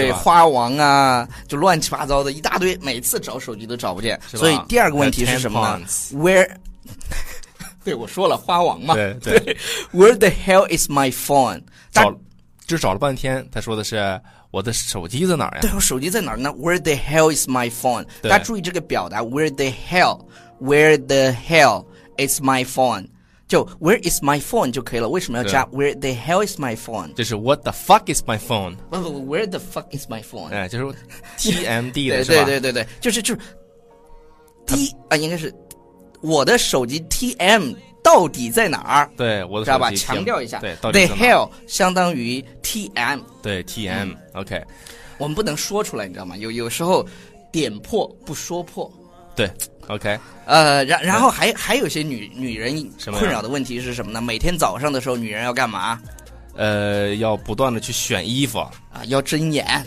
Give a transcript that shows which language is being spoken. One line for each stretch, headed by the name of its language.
Chinese: 对，花王啊，就乱七八糟的一大堆，每次找手机都找不见。是吧？所以第二个问题是什么呢 ？Where？对，我说了花王嘛。对
English: ，Where the hell is my phone？
Chinese: 找了半天，他说的是我的手机在哪儿呀？对，我手机在哪儿呢 ？
English: Where the hell is my phone？
Chinese: 大家注意这个表达 ，Where the hell is my phone？就
English: Where is my phone
Chinese: 就可以了。 为什么要加
English: Where the hell is my phone？
Chinese: 就是
English: What the fuck is my phone？
Chinese: 不
English: ，Where the fuck is my phone？
Chinese: 哎，就是 TMD 的是吧？对，就是应该是。我的手机 TM 到底在哪儿？对，我的手机，知道吧？强调一下，对，到底在哪？
English: The hell
Chinese: 相当于 TM，对 TM、OK，我们不能说出来，你知道吗？有时候点破不说破，对 ，OK。然后还有些女人困扰的问题是什么呢？每天早上的时候，女人要干嘛？要不断的去选衣服啊，要睁眼。